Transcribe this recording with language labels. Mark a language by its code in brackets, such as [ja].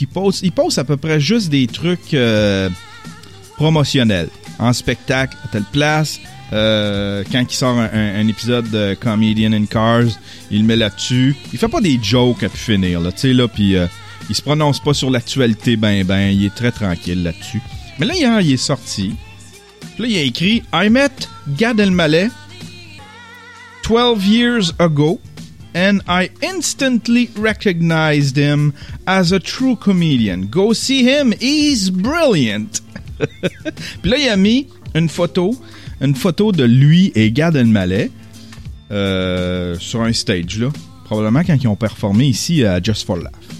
[fr] Il pose à peu près juste des trucs promotionnels. En spectacle, à telle place... quand il sort un épisode de Comedian in Cars, il met là-dessus. Il fait pas des jokes à plus finir, là, tu sais, là, puis il se prononce pas sur l'actualité, ben, il est très tranquille là-dessus. Mais là, hier, il est sorti. Puis là, il a écrit [en] I met Gad Elmaleh 12 years ago, and I instantly recognized him as a true comedian. Go see him, he's brilliant. [fr] Puis là, il a mis une photo. Une photo de lui et Gad Elmaleh sur un stage, là. Probablement quand ils ont performé ici à Just for Laugh.